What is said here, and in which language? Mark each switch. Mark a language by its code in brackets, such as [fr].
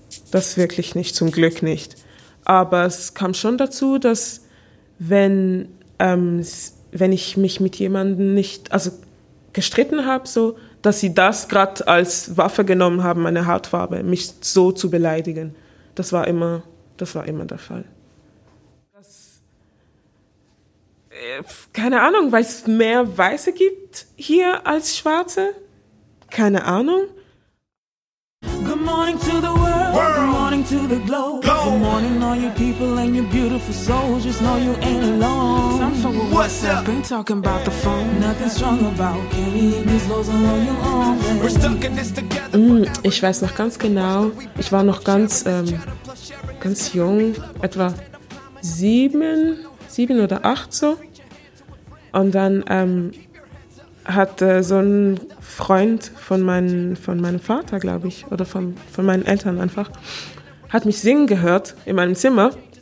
[de] Das wirklich nicht, zum Glück nicht. Aber es kam schon dazu, dass wenn ich mich mit jemandem nicht, also gestritten habe, so, dass sie das gerade als Waffe genommen haben, meine Hautfarbe, mich so zu beleidigen. Das war immer der Fall. Keine Ahnung, weil es mehr Weiße gibt hier als Schwarze? Keine Ahnung. [en] Good morning to the world, good morning to the globe. Good morning all you people and your beautiful souls. Just know you ain't alone. What's up? Been talking about the phone. Nothing strong about carrying these loads on your own. We're stuck in this together. [de] Ich weiß noch ganz genau, ich war noch ganz, ganz jung, etwa 7 oder 8 so. Und dann hat so ein Freund von meinem Vater, glaube ich, oder von meinen Eltern einfach, hat mich singen gehört in meinem Zimmer